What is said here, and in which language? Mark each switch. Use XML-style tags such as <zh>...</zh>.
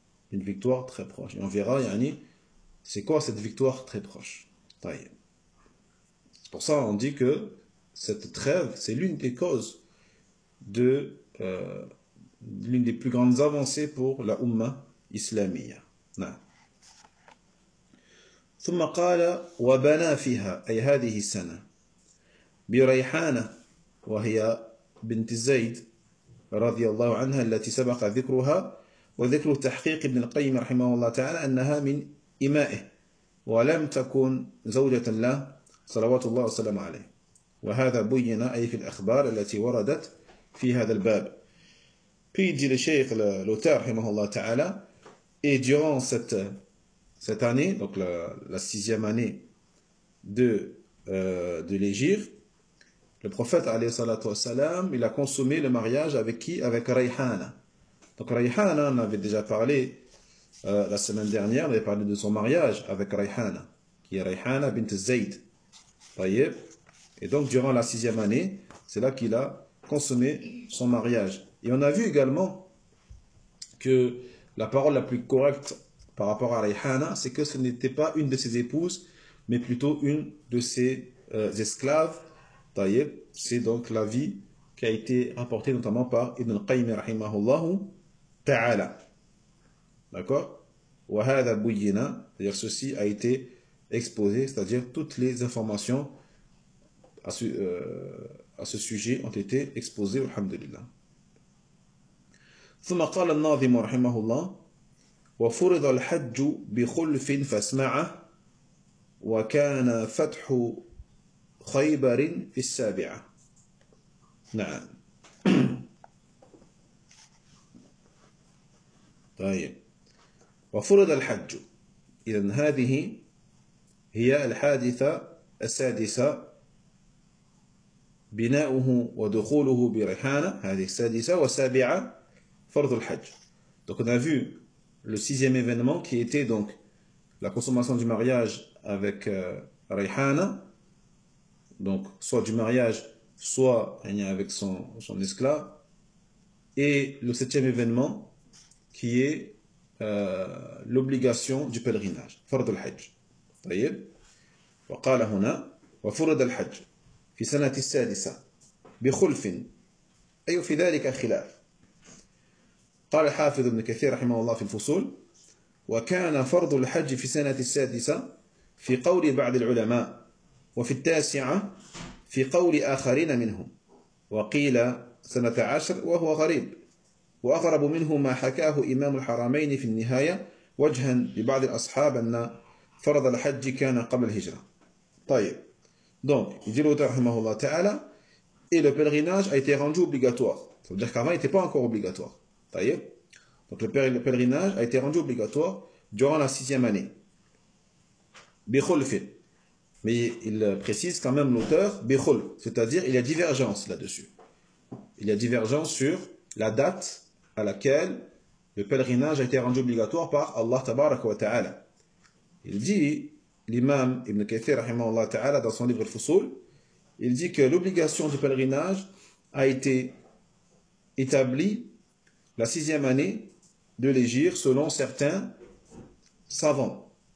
<fr>Une victoire très proche. Et on verra, Yanni, c'est quoi cette victoire très proche? C'est pour ça qu'on dit que cette trêve, c'est l'une des causes de l'une des plus grandes avancées pour la Umma islamique.</fr> <ar>ثم قال وبنى فيها أي هذه السنة بريحانة وهي بنت زيد رضي الله عنها التي سبق ذكرها وذكر تحقيق ابن القيم رحمه الله تعالى أنها من إمائه ولم تكن زوجة له صلوات الله وسلامه عليه وهذا بين أي في الأخبار التي وردت في هذا الباب بيجي للشيخ لوتار رحمه الله تعالى</ar> <fr>Et durant cette année, donc la sixième année de l'Hégire, le prophète, alayhi salatu wassalam, il a consommé le mariage avec qui? Avec Rayhana. Donc Rayhana, on avait déjà parlé la semaine dernière, on avait parlé de son mariage avec Rayhana, qui est Rayhana bint Zayd. Voyez? Et donc durant la sixième année, c'est là qu'il a consommé son mariage. Et on a vu également que la parole la plus correcte par rapport à Rayhana, c'est que ce n'était pas une de ses épouses, mais plutôt une de ses esclaves. Tayyib, c'est donc l'avis qui a été rapporté notamment par Ibn al-Qayyim rahimahullahu ta'ala. D'accord ?</fr> <ar>Wa hadha buyyina,</ar> <fr>c'est-à-dire ceci a été exposé, c'est-à-dire toutes les informations à ce sujet ont été exposées, alhamdoulillah.</fr> <ar>ثم قال الناظم رحمه الله وفرض الحج بخلف فاسمعه وكان فتح خيبر في السابعة نعم طيب وفرض الحج إذن هذه هي الحادثة السادسة بناؤه ودخوله بريحانة هذه السادسة والسابعة Fardu al-Hajj.</ar> <fr>Donc on a vu le sixième événement qui était donc la consommation du mariage avec Rayhana, donc soit du mariage, soit avec son esclave, et le septième événement qui est l'obligation du pèlerinage.</fr> <ar>Fardu al-Hajj. طيب. وقال هنا وفرض الحج في سنة السادسة بخلف أي في ذلك خلاف. قال الحافظ ابن كثير رحمه الله في الفصول وكان فرض الحج في سنة السادسة في قول بعض العلماء وفي التاسعة في قول آخرين منهم وقيل سنة عشر وهو غريب وأغرب منه ما حكاه إمام الحرمين في النهاية وجها لبعض الأصحاب أن فرض الحج كان قبل الهجرة طيب</ar> <fr>donc il dit l'auteur</fr> <ar>رحمه الله تعالى</ar> <fr>et le pèlerinage a été rendu obligatoire c'est-à-dire qu'avant il n'était pas encore obligatoire Donc le pèlerinage a été rendu obligatoire durant la sixième année.</fr> <ar>Bikhulfin.</ar> <fr>Mais il précise quand même l'auteur, Bikhul. C'est-à-dire, il y a divergence là-dessus. Il y a divergence sur la date à laquelle le pèlerinage a été rendu obligatoire par Allah Tabaraka wa Ta'ala. Il dit, l'imam Ibn Kathir, rahimahullah ta'ala, dans son livre Al-Fusul, il dit que l'obligation du pèlerinage a été établie la sixième année de l'Hégire, selon certains savants.</fr>